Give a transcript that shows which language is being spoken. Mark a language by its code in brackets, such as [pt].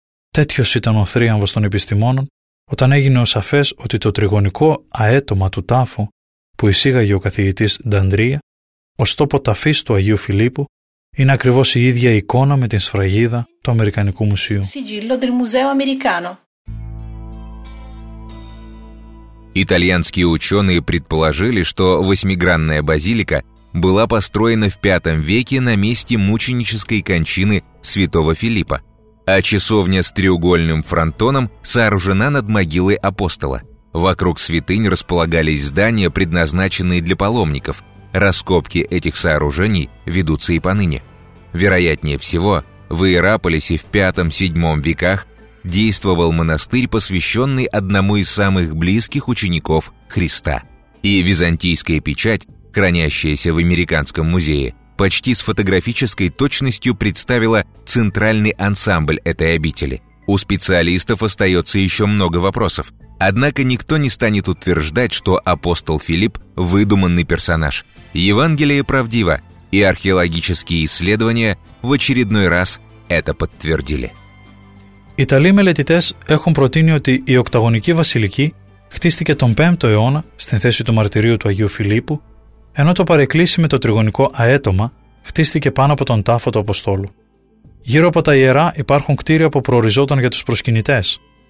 [el] Τέτοιος ήταν ο θρίαμβος των επιστημόνων όταν έγινε ο σαφές ότι το τριγωνικό αέτομα του τάφου που εισήγαγε ο καθηγητής Νταντρία ως τόπο ταφής του Αγίου Φιλίππου είναι ακριβώς η ίδια εικόνα με την σφραγίδα του Αμερικανικού Μουσείου. [it] Σιγγίλο del Museo Americano. [ru] Итальянские учёные предположили, что восьмигранная базилика была построена в V веке на месте мученической кончины святого Филиппа, а часовня с треугольным фронтоном сооружена над могилой апостола. Вокруг святынь располагались здания, предназначенные для паломников. Раскопки этих сооружений ведутся и поныне. Вероятнее всего, в Иераполисе в V-VII веках действовал монастырь, посвященный одному из самых близких учеников Христа. И византийская печать, хранящаяся в Американском музее, почти с фотографической точностью представила центральный ансамбль этой обители. У специалистов остается еще много вопросов. Однако никто не станет утверждать, что апостол Филипп – выдуманный персонаж. Евангелие правдиво, и археологические исследования в очередной раз это подтвердили. [el] Ιταλοί μελετητές έχουν προτείνει ότι η οκταγωνική βασιλική χτίστηκε τον 5ο αιώνα στην θέση του μαρτυρίου του Αγίου Φιλίππου, ενώ το παρεκκλήσι με το τριγωνικό αέτομα χτίστηκε πάνω από τον τάφο του Αποστόλου. Γύρω από τα ιερά υπάρχουν κτίρια που προοριζόταν για τους προσκυνητές.